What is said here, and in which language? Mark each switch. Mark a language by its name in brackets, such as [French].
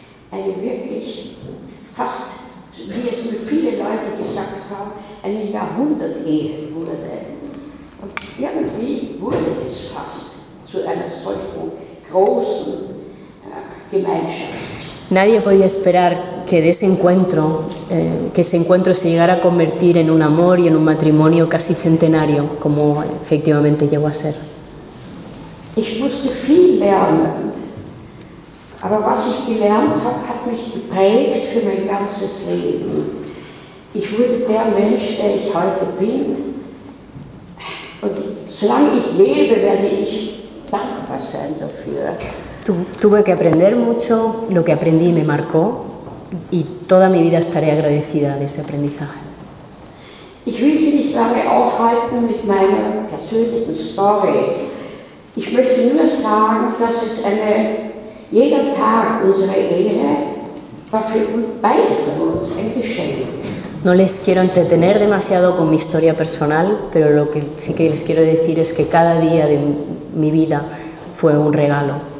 [German] Eine wirklich fast, wie es mir viele Leute gesagt haben, eine Jahrhundert-Ehe wurde. Und irgendwie wurde es fast zu einer solchen großen Gemeinschaft. [Spanish] Nadie podía esperar que de ese encuentro, se llegara a convertir en un amor y en un matrimonio casi centenario, como efectivamente llegó a ser. [German] Ich musste viel lernen. Aber was ich gelernt habe, hat mich geprägt für mein ganzes Leben. Ich wurde der Mensch, der ich heute bin. Und solange ich lebe, werde ich dankbar sein dafür. [Spanish] Tuve que aprender mucho, lo que aprendí me marcó y toda mi vida estaré agradecida de ese aprendizaje. [German] Ich will Sie nicht lange aufhalten mit meiner persönlichen Story. Ich möchte nur sagen, dass es eine jeder Tag unserer Ehe war für beide von uns ein Geschenk. [Spanish] No les quiero entretener demasiado con mi historia personal, pero lo que sí que les quiero decir es que cada día de mi vida fue un regalo.